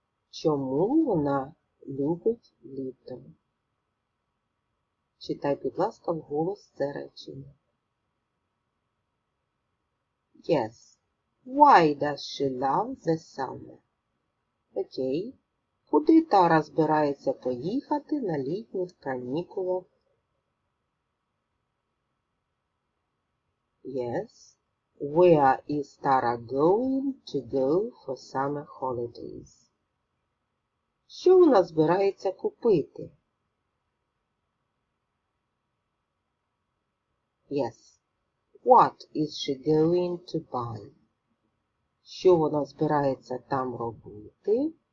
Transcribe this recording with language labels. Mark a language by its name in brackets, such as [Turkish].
[Ukrainian] Чому вона любить літо? Читай, будь ласка, вголос це речення. [English] Yes. Why does she love the summer? Окей. [Ukrainian] Куди Тара збирається поїхати на літніх канікулах? [English] Yes. Where is Tara going to go for summer holidays? [Ukrainian] Що вона збирається купити? [English] Yes. What is she going to buy? [Ukrainian] Що вона збирається там робити?